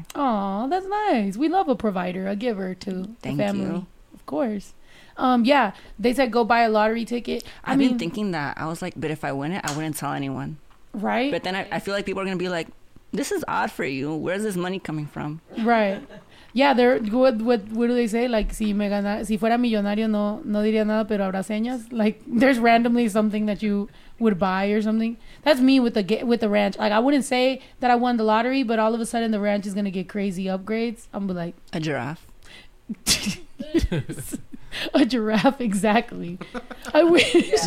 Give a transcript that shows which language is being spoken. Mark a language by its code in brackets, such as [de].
[en] Oh, that's nice. We love a provider, a giver to thank the family. You. Of course. Yeah, they said go buy a lottery ticket. I've been thinking that. I was like, but if I win it, I wouldn't tell anyone. Right? But then I feel like people are going to be like, this is odd for you. Where's this money coming from? Right. Yeah, they're good. What do they say? [es] Like, si me gana, si fuera millonario, no diría nada, pero habrá señas. [en] Like, there's randomly something that you would buy or something. That's me with the ranch. Like, I wouldn't say that I won the lottery, but all of a sudden the ranch is going to get crazy upgrades. I'm gonna be like, a giraffe. A giraffe, exactly. I wish. Yeah.